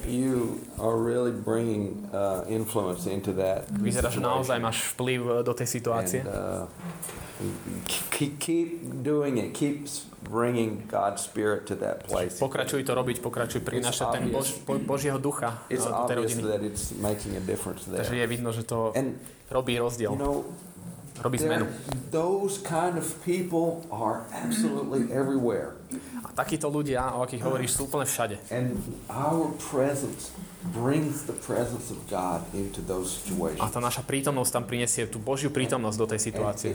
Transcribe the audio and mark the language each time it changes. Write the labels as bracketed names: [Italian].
[English] You are really bringing influence into that. [Slovak] Vyzerá, že naozaj máš vplyv do tej situácie. [English] Keep doing it. Keep bringing God's spirit to that place. [Slovak] Pokračuj to robiť, pokračuj prinášať ten Božieho ducha do tej rodiny. [English] That it's making a difference there. [Slovak] Takže je vidno, že to robí rozdiel. [English] You know, [Slovak] robí zmenu. [English] Those kind of people are absolutely everywhere. [Slovak] A takíto ľudia, o akých hovoríš, sú úplne všade. [English] And our presence brings the presence of God into those situations. [Slovak] A tá naša prítomnosť tam prinesie tú Božiu prítomnosť do tej situácie.